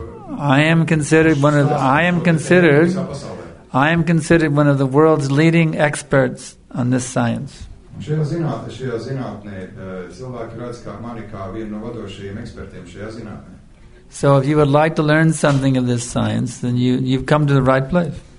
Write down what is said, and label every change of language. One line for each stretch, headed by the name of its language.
English: I am considered one of the world's leading experts on this science.
Latvian: Šajā zinātnē, cilvēki redz kā mani kā vienu no vadošajiem ekspertiem šajā zinātnē.
English: So if you would like to learn something of this science, then you've come to the right place.